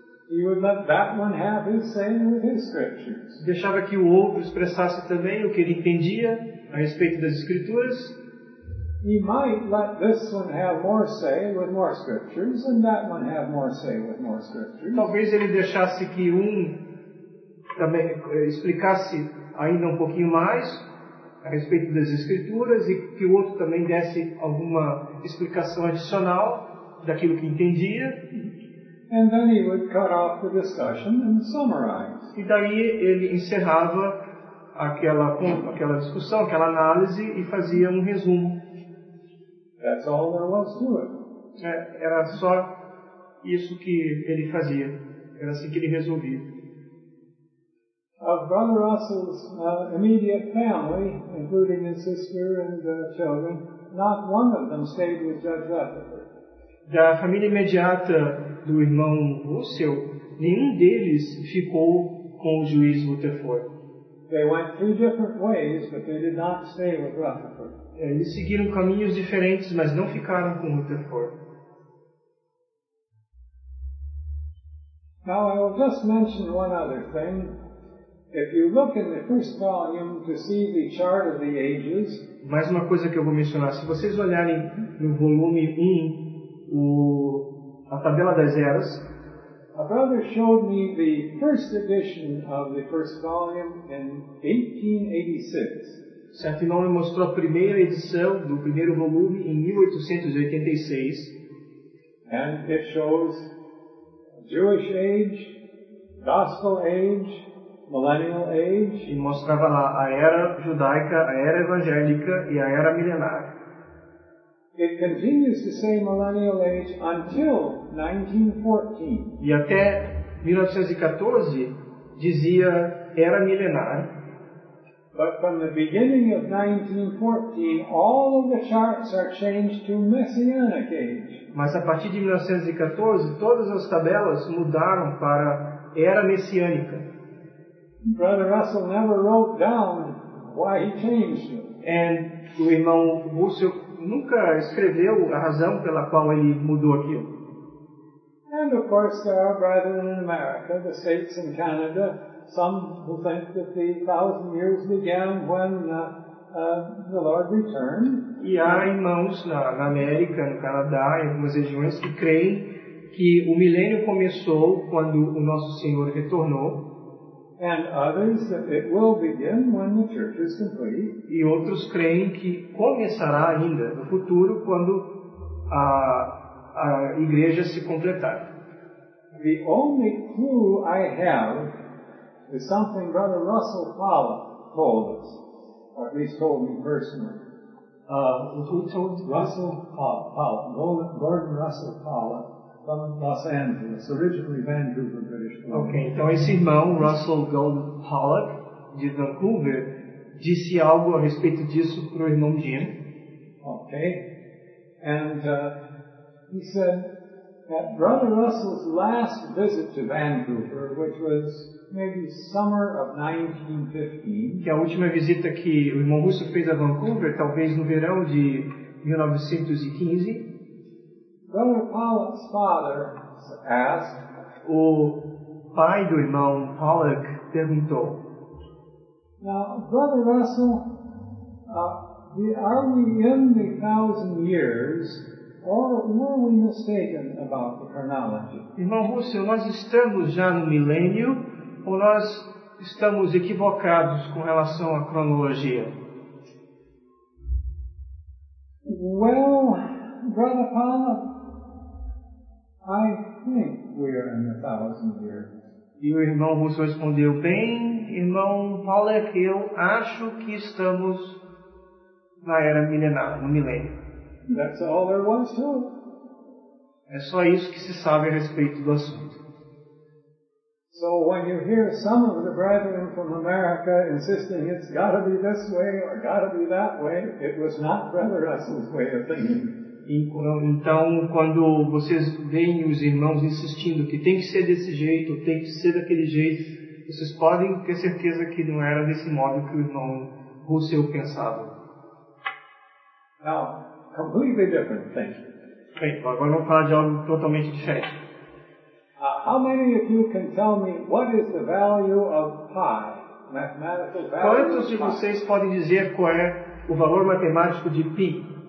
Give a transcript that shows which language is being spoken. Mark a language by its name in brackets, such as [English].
[English] You would let that one have his say with his scriptures. [Portuguese] Deixava que o outro expressasse também o que ele entendia a respeito das escrituras. [English] He might let this one have more say with more scriptures, and that one have more say with more scriptures. [Portuguese] Talvez ele deixasse que um também explicasse ainda um pouquinho mais a respeito das escrituras e que o outro também desse alguma explicação adicional daquilo que entendia. [English] And then he would cut off the discussion and summarize. [Portuguese] E daí ele encerrava aquela discussão, aquela análise e fazia um resumo. [English] That's all there was to it. [Portuguese] Era só isso que ele fazia. Era assim que ele resolvia. [English] Of Brother Russell's immediate family, including his sister and children, not one of them stayed with Judge Rutherford. [Portuguese] Da família imediata do irmão Russell, nenhum deles ficou com o juiz Rutherford. [English] They went 3 different ways, but they did not stay with Rutherford. [Portuguese] Eles seguiram caminhos diferentes, mas não ficaram com Rutherford. [English] Now I will just mention one other thing. If you look in the first volume to see the chart of the ages. [Portuguese] Mais uma coisa que eu vou mencionar. Se vocês olharem no volume 1, a tabela das eras. [English] A brother showed me the first edition of the first volume in 1886. [Portuguese] Certo irmão me mostrou a primeira edição do primeiro volume em 1886. [English] And it shows Jewish age, gospel age, millennial age, [Portuguese] e mostrava lá a era judaica, a era evangélica e a era milenar. [English] It continues to say millennial age until 1914. [Portuguese] E até 1914 dizia era milenar. [English] But from the beginning of 1914, all of the charts are changed to messianic age. [Portuguese] Mas a partir de 1914, todas as tabelas mudaram para era messiânica. [English] Brother Russell never wrote down why he changed it. And [Portuguese] o irmão Russell nunca escreveu a razão pela qual ele mudou aquilo. [English] And of course there are brethren in America, the States and Canada, some who think that the thousand years began when the Lord returned. [Portuguese] E há irmãos na América, no Canadá, em algumas regiões, que creem que o milênio começou quando o Nosso Senhor retornou. [English] And others that it will begin when the church is complete. [Portuguese] E outros creem que começará ainda no futuro quando a igreja se completar. [English] The only clue I have is something Brother Russell Fowler told us, or at least told me personally. Who told Russell Fowler, Gordon Russell Fowler, from Los Angeles, originally Vancouver, British Columbia. [Portuguese] Okay, então esse irmão, Russell Golden Pollock, de Vancouver, disse algo a respeito disso para o irmão Jim. [English] Okay, and he said that Brother Russell's last visit to Vancouver, which was maybe summer of 1915. [Portuguese] Que a última visita que o irmão Russell fez a Vancouver, talvez no verão de 1915, [English] Brother Pollock's father asked, [Portuguese] o pai do irmão Pollock perguntou, [English] now, Brother Russell, are we in the thousand years, or were we mistaken about the chronology? [Portuguese] Irmão Russell, nós estamos já no milênio, ou nós estamos equivocados com relação à cronologia? [English] Well, Brother Pollock, I think we are in the thousand years. [Portuguese] E o irmão Russell respondeu, bem, irmão Pollock, eu acho que estamos na era milenar, no milênio. [English] That's all there was to. [Portuguese] É só isso que se sabe a respeito do assunto. [English] So when you hear some of the brethren from America insisting it's got to be this way or got to be that way, it was not Brother Russell's way of thinking. [Portuguese] Então, quando vocês veem os irmãos insistindo que tem que ser desse jeito, tem que ser daquele jeito, vocês podem ter certeza que não era desse modo que o irmão Russell pensava. [English] Now, completely different thing. [Portuguese] Bem, agora vamos falar de algo totalmente diferente. [English] How many of you can tell me what is the value of pi? Mathematical value. [Portuguese] Quantos de vocês podem dizer qual é o valor matemático de pi?